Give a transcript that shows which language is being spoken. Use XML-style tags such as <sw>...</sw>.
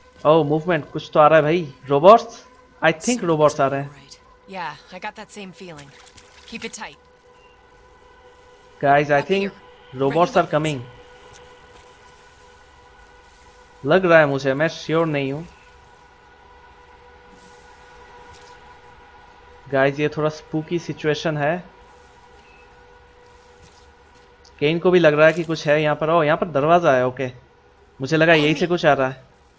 <hi>ओह, movement कुछ तो आ रहा है भाई. रोबोट्स,</hi> <en>I think robots</en> <hi>आ रहे हैं.</hi> <en>Yeah, I got that same feeling. Keep it tight. Guys, I think robots are coming.</en> <hi>लग रहा है मुझे, मैं श्योर नहीं हूं गाइस. ये थोड़ा स्पूकी सिचुएशन है. केन को भी लग रहा है कि कुछ है यहाँ पर. ओ, यहाँ पर दरवाजा है. ओके, मुझे लगा यही से कुछ आ रहा है.</hi>